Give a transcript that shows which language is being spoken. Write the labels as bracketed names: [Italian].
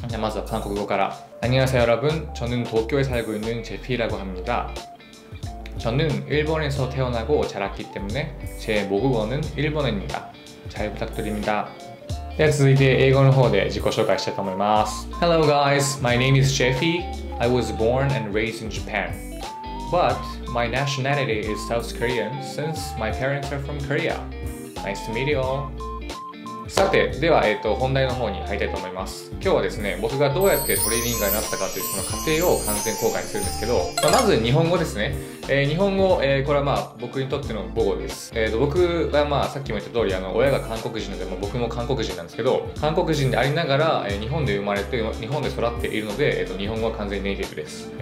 [Japanese] じゃあまずは韓国語から。 [Korean] 안녕하세요여러분저는도쿄에살고있는제피라고합니다저는일본에서태어나고자랐기때문에제모국어는일본어입니다잘부탁드립니다 [Japanese] では続いて英語の方で自己紹介したいと思います。 [English] Hello guys, my name is Jeffy. I was born and raised in Japan. But my nationality is South Korean since my parents are from Korea. Nice to meet you all. [Japanese] さて、では、本題の方に入りたいと思います。今日はですね、僕がどうやってトリリンガルになったかというその過程を完全公開するんですけど、まあ、まず日本語ですね。日本語、これはまあ僕にとっての母語です。僕はまあさっきも言った通り、親が韓国人なので、まあ、僕も韓国人なんですけど、韓国人でありながら、日本で生まれて、日本で育っているので、日本語は完全にネイティブです。